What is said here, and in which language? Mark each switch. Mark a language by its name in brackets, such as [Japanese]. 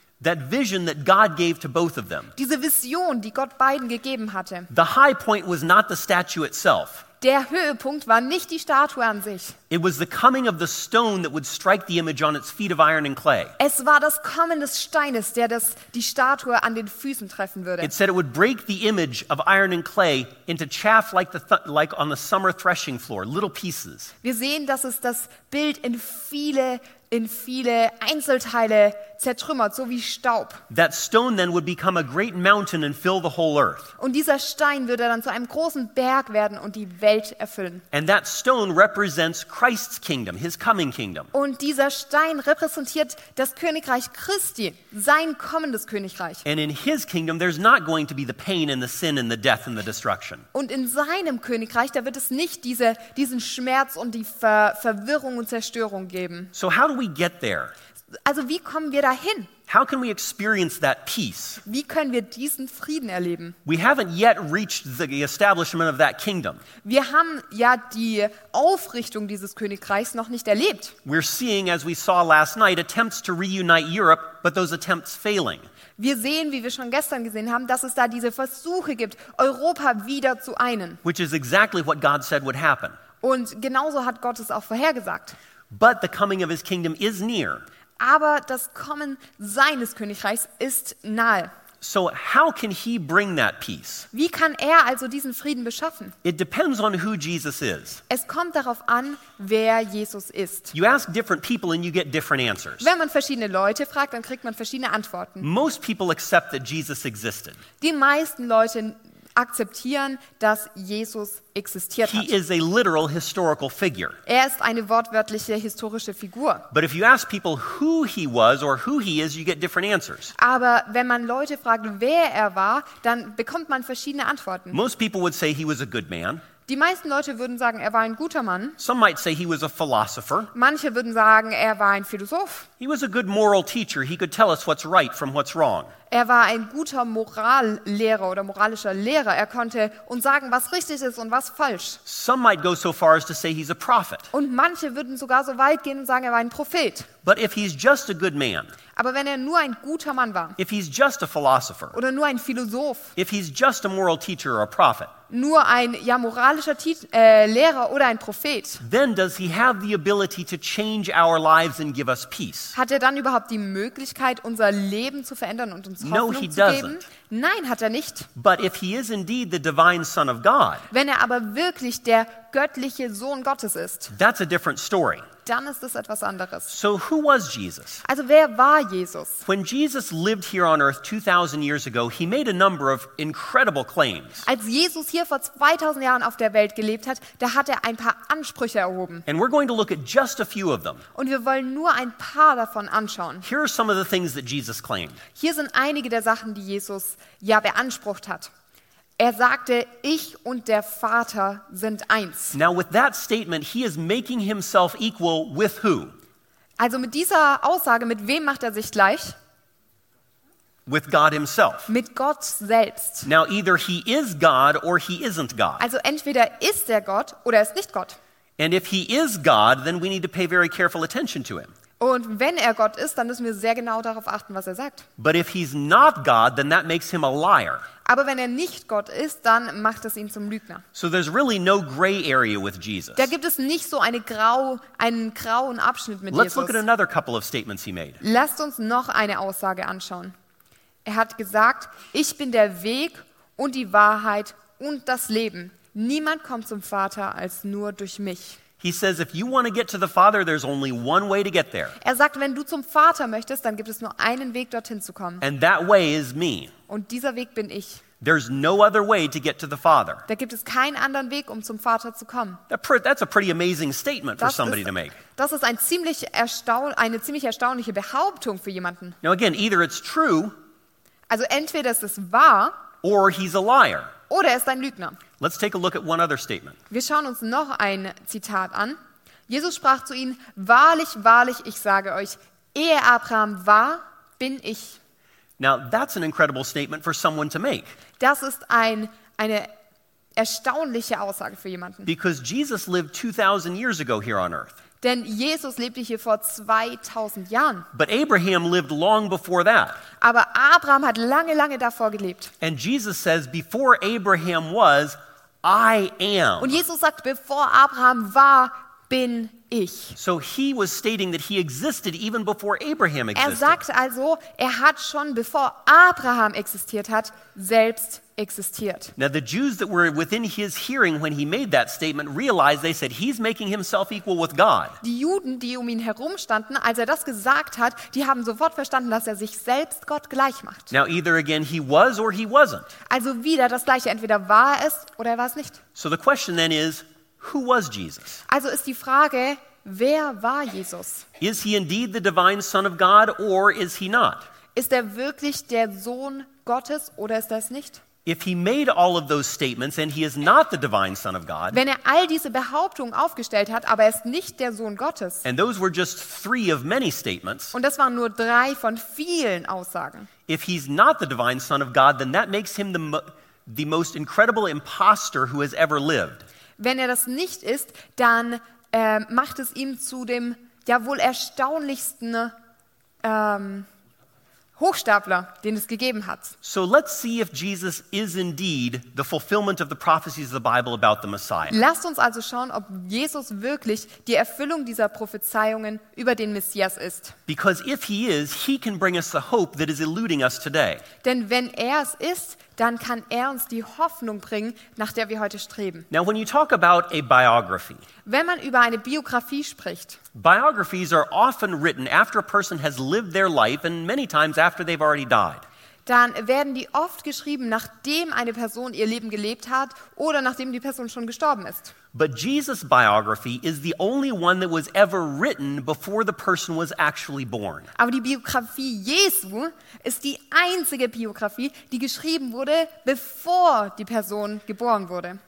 [English] That vision that God gave to both of them. [German] Diese Vision, die Gott beiden gegeben hatte. [English] The high point was not the statue itself. [German] Der Höhepunkt war nicht die Statue an sich. [English] It was the coming of the stone that would strike the image on its feet of iron and clay. [German] Es war das Kommen des Steines, der das die Statue an den Füßen treffen würde. [English] It said it would break the image of iron and clay into chaff like on the summer threshing floor, little pieces. [German] Wir sehen, dass es das Bild in viele Einzelteile zertrümmert, so wie Staub. [English] That stone then would become a great mountain and fill the whole earth. [German] Und dieser Stein würde dann zu einem großen Berg werden und die Welt erfüllen. [English] And that stone represents Christ's kingdom, his coming kingdom. [German] Und dieser Stein repräsentiert das Königreich Christi, sein kommendes Königreich. [English] And in his kingdom there's not going to be the pain and the sin and the death and the destruction. [German] Und in seinem Königreich, da wird es nicht diesen Schmerz und die Verwirrung und Zerstörung geben. [English] So how do we get there? [German] Also wie kommen wir dahin? [English] How can we experience that peace? [German] Wie können wir diesen Frieden erleben? [English] We haven't yet reached the establishment of that kingdom. [German] Wir haben ja die Aufrichtung dieses Königreichs noch nicht erlebt. [English] We're seeing, as we saw last night, attempts to reunite Europe, but those attempts failing. [German] Wir sehen, wie wir schon gestern gesehen haben, dass es da diese Versuche gibt, Europa wieder zu einen. [English] Which is exactly what God said would happen. [German] Und genauso hat Gott es auch vorhergesagt. [English] But the coming of his kingdom is near. [German] Aber das Kommen seines Königreichs ist nahe. [English] So how can he bring that peace? [German] Wie kann er also diesen Frieden beschaffen? [English] It depends on who Jesus is. [German] Es kommt darauf an, wer Jesus ist. [English] You ask different people and you get different answers. [German] Wenn man verschiedene Leute fragt, dann kriegt man verschiedene Antworten. [English] Most people accept that Jesus existed. [German] Die meisten Leute akzeptieren, dass Jesus existiert hat. [English] He is a literal historical figure. [German] Er ist eine wortwörtliche historische Figur. [English] But if you ask people who he was or who he is, you get different answers. [German] Aber wenn man Leute fragt, wer er war, dann bekommt man verschiedene Antworten. [English] Most people would say he was a good man. [German] Die meisten Leute würden sagen, er war ein guter Mann. [English] Some might say he was a philosopher. [German] Manche würden sagen, er war ein Philosoph. [English] He was a good moral teacher. He could tell us what's right from what's wrong. [German] Er war ein guter Morallehrer oder moralischer Lehrer. Er konnte uns sagen, was richtig ist und was falsch. [English] Some might go so far as to say he's a prophet. [German] Und manche würden sogar so weit gehen und sagen, er war ein Prophet. [English] But if he's just a good man. [German] Aber wenn er nur ein guter Mann war. [English] If he's just a philosopher. [German] Oder nur ein Philosoph. [English] If he's just a moral teacher or a prophet. [German] Nur ein moralischer Lehrer oder ein Prophet. [English] Then does he have the ability to change our lives and give us peace? [German] Hat er dann überhaupt die Möglichkeit, unser Leben zu verändern und uns Hoffnung [English] no, he [German] zu [English] doesn't. [German] Geben? Nein, hat er nicht. [English] But if he is indeed the divine Son of God, [German] wenn er aber wirklich der göttliche Sohn Gottes ist, [English] that's a different story. [German] Dann ist es etwas anderes. [English] So who was Jesus? [German] Also wer war Jesus? [English] When Jesus lived here on earth 2000 years ago, he made a number of incredible claims. [German] Als Jesus hier vor 2000 Jahren auf der Welt gelebt hat, da hat er ein paar Ansprüche erhoben. [English] And we're going to look at just a few of them. [German] Und wir wollen nur ein paar davon anschauen. [English] Here are some of the things that Jesus claimed. [German] Hier sind einige der Sachen, die Jesus ja beansprucht hat. Er sagte, ich und der Vater sind eins. [English] Now with that statement, he is making himself equal with who? [German] Also mit dieser Aussage, mit wem macht er sich gleich? [English] With God himself. [German] Mit Gott selbst. [English] Now either he is God or he isn't God. [German] Also entweder ist er Gott oder er ist nicht Gott. [English] And if he is God, then we need to pay very careful attention to him. [German] Und wenn er Gott ist, dann müssen wir sehr genau darauf achten, was er sagt. [English] But if he's not God, then that makes him a liar. [German] Aber wenn er nicht Gott ist, dann macht es ihn zum Lügner. [English] So there's really no gray area with Jesus. [German] Da gibt es nicht so einen grauen Abschnitt mit [English] Let's [German] Jesus. [English] Look at another couple of statements he made. [German] Lasst uns noch eine Aussage anschauen. Er hat gesagt, ich bin der Weg und die Wahrheit und das Leben. Niemand kommt zum Vater als nur durch mich. [English] He says, if you want to get to the Father, there's only one way to get there. [German] Er sagt, wenn du zum Vater möchtest, dann gibt es nur einen Weg dorthin zu kommen. [English] And that way is me. [German] Und dieser Weg bin ich. [English] There's no other way to get to the Father. [German] Da gibt es keinen anderen Weg, um zum Vater zu kommen. [English] That's a pretty amazing statement for somebody to make. [German] Das ist eine ziemlich erstaunliche Behauptung für jemanden. [English] Now again, either it's true. [German] Also entweder ist es wahr. [English] Or he's a liar. [German] Oder er ist ein Lügner. [English] Let's take a look at one other statement. [German] Wir schauen uns noch ein Zitat an. Jesus sprach zu ihnen, wahrlich, wahrlich, ich sage euch, ehe Abraham war, bin ich. [English] Now that's an incredible statement for someone to make. [German] Das ist eine erstaunliche Aussage für jemanden. [English] Because Jesus lived 2000 years ago here on earth. [German] Denn Jesus lebte hier vor 2000 Jahren. [English] But Abraham lived long before that. [German] Aber Abraham hat lange, lange davor gelebt. [English] And Jesus says, before Abraham was, I am. [German] Und Jesus sagt, bevor Abraham war, bin ich. [English] So he was stating that he existed even before Abraham existed. [German] Er sagt also, er hat schon bevor Abraham existiert hat, selbst existiert. [English] Now the Jews that were within his hearing when he made that statement realized, they said, he's making himself equal with God. [German] Die Juden, die um ihn herum standen, als er das gesagt hat, die haben sofort verstanden, dass er sich selbst Gott gleich macht. [English] Now either again he was or he wasn't. [German] Also wieder das gleiche, entweder war es oder er war es nicht. [English] So the question then is, who was Jesus? [German] Also ist die Frage, wer war Jesus? [English] Is he indeed the divine Son of God or is he not? [German] Ist er wirklich der Sohn Gottes oder ist er es nicht? [English] If he made all of those statements and he is not the divine Son of God. [German] Wenn er all diese Behauptungen aufgestellt hat, aber er ist nicht der Sohn Gottes. [English] And those were just three of many statements. [German] Und das waren nur drei von vielen Aussagen. [English] If he's not the divine Son of God, then that makes him the most incredible imposter who has ever lived. [German] Wenn er das nicht ist, dann macht es ihm zu dem ja wohl erstaunlichsten Hochstapler, den es gegeben hat. [English] So let's see if Jesus is indeed the fulfillment of the prophecies of the Bible about the Messiah. [German] Lasst uns also schauen, ob Jesus wirklich die Erfüllung dieser Prophezeiungen über den Messias ist. [English] Because if he is, he can bring us the hope that is eluding us today. [German] Denn wenn er es ist, dann kann er uns die Hoffnung bringen, nach der wir heute streben. [English] Now when you talk about a biography. [German] Wenn man über eine Biografie spricht. [English] Biographies are often written after a person has lived their life and many times after they've already died. [German] Dann werden die oft geschrieben, nachdem eine Person ihr Leben gelebt hat oder nachdem die Person schon gestorben ist. [English] But Jesus' biography is the only one that was ever written before the person was actually born. [German] Aber die Biografie Jesu ist die einzige Biografie, die geschrieben wurde, bevor die Person geboren wurde.